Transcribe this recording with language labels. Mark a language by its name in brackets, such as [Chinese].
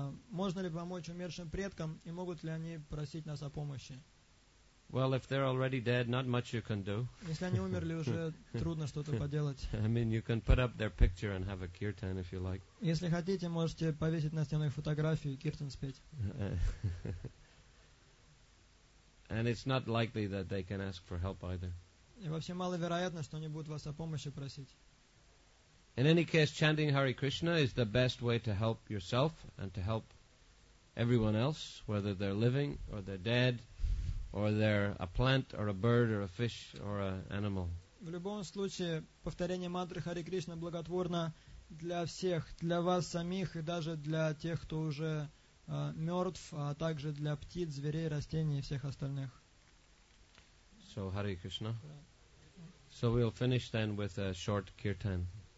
[Russian] Можно ли помочь умершим предкам и могут ли они просить нас о помощи? [English] Well, if they're already dead, not much you can do. [Russian] Если они умерли уже, трудно что-то поделать. [English] I mean, you can put up their picture and have a kirtan if you like. [Russian] Если хотите, можете повесить на стену их фотографию и киртан спеть. [English] And it's not likely that they can ask for help either. [Russian] И вообще маловероятно, что они будут вас о помощи просить. [English] In any case, chanting Hare Krishna is the best way to help yourself and to help everyone else, whether they're living or they're dead, or they're a plant or a bird or a fish or an animal. [Russian] В любом случае, повторение мантры Hare Krishna благотворно для всех, для вас самих и даже для тех, кто уже мертв, а также для птиц, зверей, растений и всех остальных. [English] So, Hare Krishna. So, we'll finish then with a short kirtan.